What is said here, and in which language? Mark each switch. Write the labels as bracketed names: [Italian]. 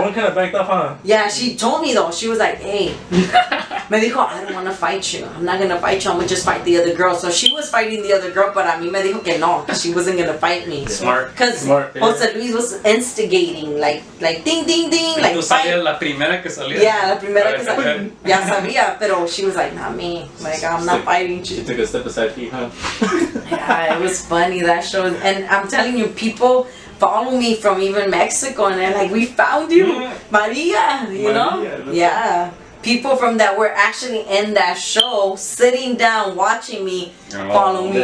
[English] One kind of backed off, huh? Yeah, she told me, though. She was like, hey. [Spanish] Me dijo, [English] I don't want to fight you. I'm not going to fight you. I'm going to just fight the other girl. So she was fighting the other girl, but [Spanish] a mí me dijo que no, [English] because she wasn't going to fight me. Smart. Because yeah. Jose Luis was instigating, like ding, ding, ding. Like, [Spanish] tú sabías la primera que salía. Yeah, la primera que salía. Ya sabía, pero [English] she was like, not me. Like, I'm not fighting you. She took a step aside, huh? Yeah, it was funny, that show. And I'm telling you, people follow me from even Mexico, and they're like, we found you, yeah. Maria, you Maria, know? Yeah. People from that were actually in that show, sitting down, watching me, follow me.